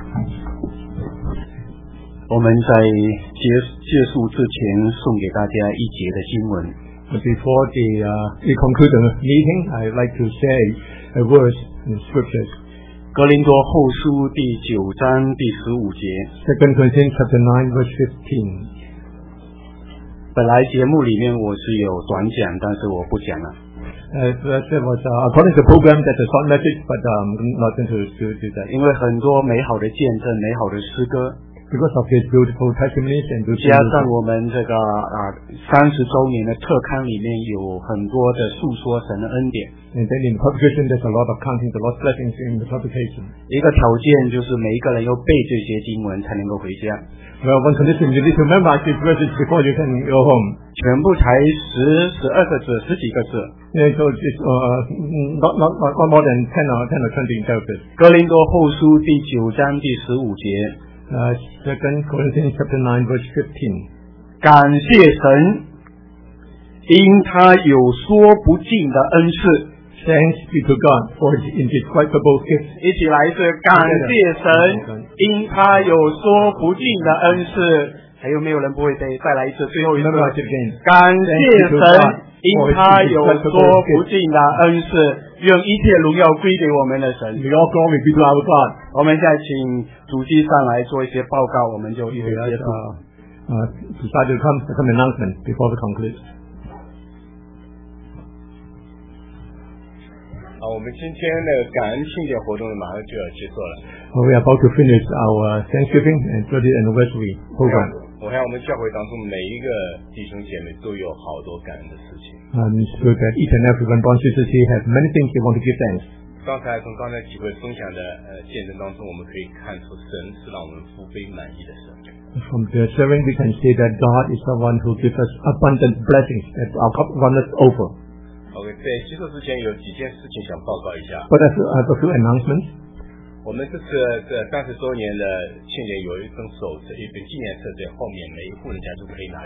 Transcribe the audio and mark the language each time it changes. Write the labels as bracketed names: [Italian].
[Chinese] 在结束之前送给大家一节的经文。 [English] Before the, we conclude the meeting, I'd like to say a word in scriptures. [Chinese] 哥林多后书第九章第十五节。 [English] Second Corinthians chapter 9 verse 15. [Chinese] 本来节目里面我是有短讲，但是我不讲了。 [English] That was, according to the program, that's a short message, but I'm not going to do that. [Chinese] 因为很多美好的见证，美好的诗歌。 [English] Because of his beautiful testimonies and beautiful [Chinese] 加上我们这个三十周年的特刊里面有很多的诉说神的恩典。 [English] And then in the publication, there's a lot of counting the Lord's blessings in the publication. [Chinese] 一个条件就是每一个人要背这些经文才能够回家。 [English] Well, one condition you need to remember these verses before you can go home. [Chinese] 全部才十十二个字，十几个字。 [English] Yeah, so it's not more than ten or twenty in total. [Chinese] 哥林多后书第九章第十五节。 [English] Second Corinthians chapter 9 verse 15. [Chinese] 感谢神，因他有说不尽的恩赐。 [English] Thanks be to God for his indescribable gifts. [Chinese] 一起来是感谢神，因他有说不尽的恩赐。还有没有人不会背？再来一次，最后一次。感谢神，因他有说不尽的恩赐。愿一切荣耀归给我们的神。 [English] May all glory be to our God. [Chinese] 我们现在请主席上来做一些报告，我们就一会儿结束。主席就 [English] come announcement before we conclude. [Chinese] 我们今天的感恩庆典活动马上就要结束了。 [English] We are about to finish our Thanksgiving and 30th anniversary program. [Chinese] 我看我们教会当中每一个弟兄姐妹都有好多感恩的事情。 [English] So that each and every one wants to see have many things they want to give thanks. [Chinese] 刚才从刚才几位分享的见证当中，我们可以看出神是让我们福杯满溢的神。 [English] From the sharing, we can see that God is the one who gives us abundant blessings that our cup runneth over. [Chinese] Okay, 在结束之前有几件事情想报告一下。 [English] But I have a few announcements. [Chinese] 我们这次这三十周年的庆典有一本手册，一本纪念册，在后面每一户人家都可以拿。